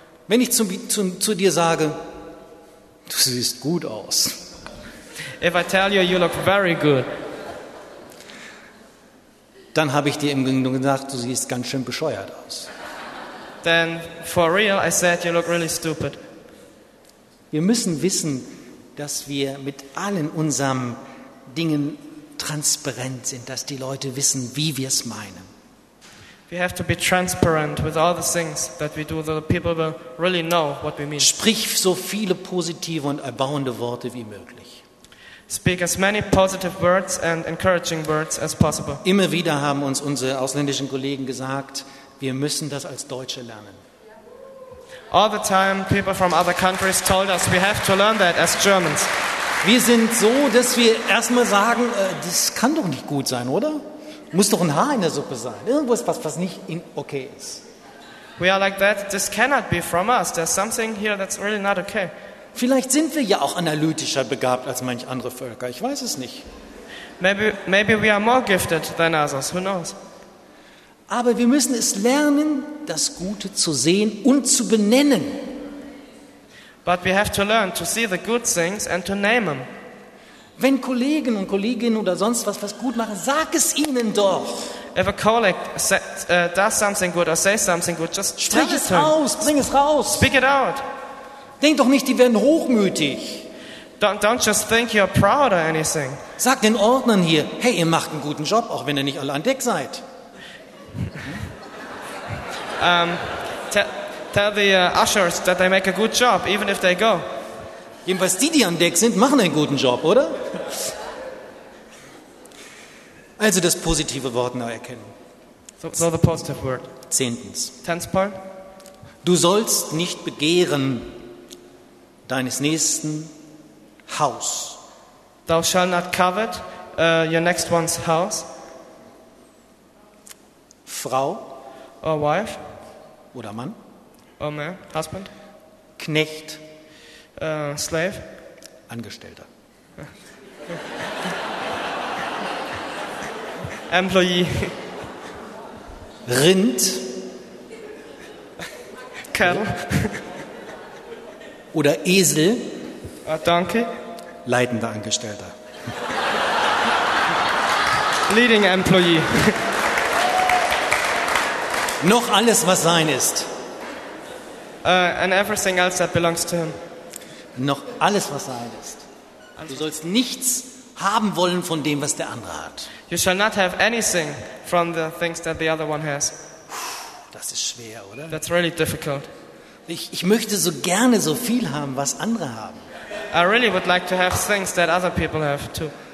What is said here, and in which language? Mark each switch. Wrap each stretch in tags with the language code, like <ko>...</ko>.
<de>Wenn ich zu dir sage, du siehst gut aus.</de> <en>If I tell you, you look very good.</en> <de>Dann habe ich dir im Grunde gesagt, du siehst ganz schön bescheuert aus.</de> <en>Then for real, I said you look really stupid.</en> <de>Wir müssen wissen, dass wir mit allen unseren Dingen transparent sind, dass die Leute wissen, wie wir es meinen.</de> <en>We have to be transparent with all the things that we do, so the people will really know what we mean.</en> <de>Sprich so viele positive und erbauende Worte wie möglich.</de> <en>Speak as many positive words and encouraging words as possible.</en> <de>Immer wieder haben uns unsere ausländischen Kollegen gesagt, wir müssen das als Deutsche lernen.</de> <en>All the time people from other countries told us we have to learn that as Germans.</en> <de>Wir sind so, dass wir erstmal sagen, das kann doch nicht gut sein, oder? Muss doch ein Haar in der Suppe sein. Irgendwas, was nicht in okay ist.</de> <en>We are like that. This cannot be from us. There's something here that's really not okay.</en> <de>Vielleicht sind wir ja auch analytischer begabt als manch andere Völker. Ich weiß es nicht.</de> <en>Maybe we are more gifted than others. Who knows?</en> <de>Aber wir müssen es lernen, das Gute zu sehen und zu benennen.</de> <en>But we have to learn to see the good things and to name them.</en> <de>Wenn Kollegen und Kolleginnen oder sonst was gut machen, sag es ihnen doch.</de> <en>If a colleague does something good or says something good, just</en> <de>sprich es aus, bring es raus.</de> <en>Speak it out.</en> <de>Denk doch nicht, die werden hochmütig.</de> <en>Don't just think you're proud or anything.</en> <de>Sag den Ordnern hier, hey, ihr macht einen guten Job, auch wenn ihr nicht alle an Deck seid.</de> <en>Tell the ushers that they make a good job, even if they go.</en> <de>Jedenfalls die an Deck sind, machen einen guten Job, oder? Also das positive Wort neu erkennen.</de> <en>So the positive word.</en> <de>Zehntens.</de> <en>Tenth part.</en> <de>Du sollst nicht begehren deines nächsten Haus.</de> <en>Thou shalt not covet your next one's house.</en> <de>Frau.</de> <en>Or wife.</en> <de>Oder Mann.</de> <en>Or man. Husband.</en> <de>Knecht.</de> <en>Slave.</en> <de>Angestellter.</de> <en>Employee.</en> <de>Rind.</de> <en>Cattle.</en> <de>Oder Esel.</de> <en>Donkey.</en> <de>Leitender Angestellter.</de> <en>Leading employee.</en> <de>Noch alles, was sein ist.</de> <en>And everything else that belongs to him.</en> <de>Noch alles, was sein ist. Du sollst nichts haben wollen von dem, was der andere hat.</de> <en>You shall not have anything from the things that the other one has.</en> <de>Das ist schwer, oder?</de> <en>That's really difficult.</en> <de>Ich möchte so gerne so viel haben, was andere haben.</de> <en>I really would like to have things that other people have too.</en>